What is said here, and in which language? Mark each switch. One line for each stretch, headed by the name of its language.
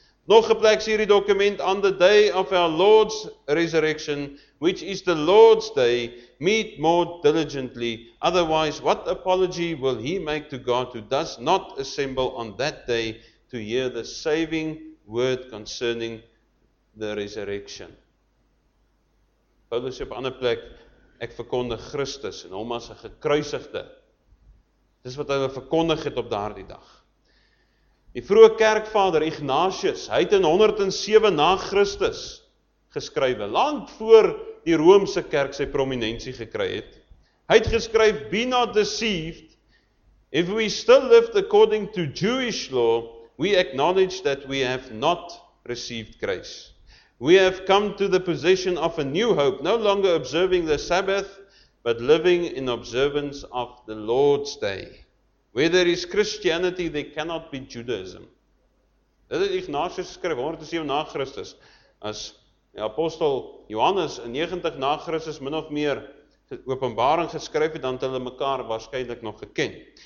Afrikaans: Nog 'n plek sê hierdie dokument,
English: on the day of our Lord's resurrection, which is the Lord's day, meet more diligently. Otherwise, what apology will he make to God who does not assemble on that day to hear the saving word concerning the resurrection.
Afrikaans: Paulus sê op 'n ander plek, ek verkondig Christus en hom as 'n gekruisigde. Dis wat hulle verkondig het op daardie dag. Die vroeë kerkvader Ignatius, hy het in 107 na Christus geskrywe, lank voor die Romeinse kerk sy prominensie gekry het. Hy het geskryf,
English: "Be not deceived. If we still live according to Jewish law, we acknowledge that we have not received Christ. We have come to the position of a new hope, no longer observing the Sabbath, but living in observance of the Lord's Day. Where there is Christianity, there cannot be Judaism."
Afrikaans: Dit het Ignatius geskryf, 107 na Christus, as die apostel Johannes in 90 na Christus min of meer Openbaring geskryf het, dan het hulle mekaar waarskynlik nog geken.